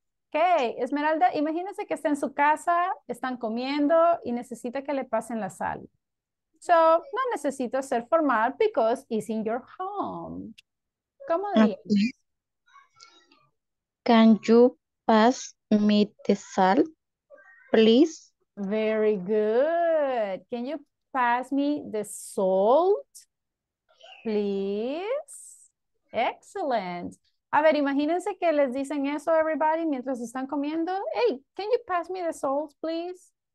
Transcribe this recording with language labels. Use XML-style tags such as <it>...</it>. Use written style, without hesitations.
<es>Okay, Esmeralda, imagínese que está en su casa, están comiendo y necesita que le pasen la sal.</es> <en>So,</en> <es>no necesito ser formal</es> <en>because it's in your home.</en> <es>¿Cómo dirías?</es> <en>Can you pass me the salt, please? Very good. Can you pass me the salt, please? Excellent.</en> <es>A ver, imagínense que les dicen eso a everybody mientras están comiendo.</es> <en>Hey, can you pass me the salt, please?</en>